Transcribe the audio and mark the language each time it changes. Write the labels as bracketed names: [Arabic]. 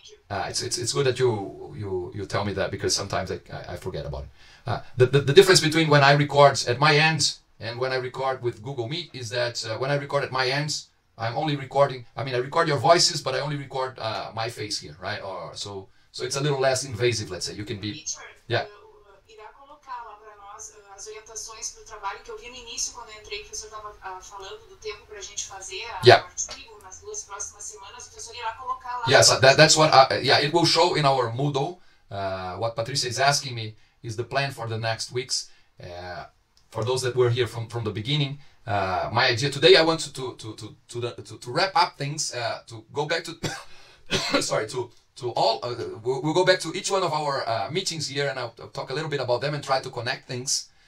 [English] It's good that you tell me that, because sometimes I forget about it. The difference between when I record at my end and when I record with Google Meet is that when I record at my end, I'm only recording. I mean, I record your voices, but I only record my face here, right? Or so it's a little less invasive. Let's say you can be. Richard, yeah. [Portuguese] Irá colocar lá para nós as orientações para o trabalho que eu vi no início, quando eu entrei, que o professor estava falando do tempo para a gente fazer [English] yeah. [Portuguese] o artigo nas duas próximas semanas, o professor irá colocar lá. [English] Yes, that's what, yeah, it will show in our Moodle. What Patricia is asking me is the plan for the next weeks. For those that were here from the beginning, my idea today, I want to wrap up things, to go back to, sorry, to all, we'll go back to each one of our meetings here, and I'll talk a little bit about them and try to connect things.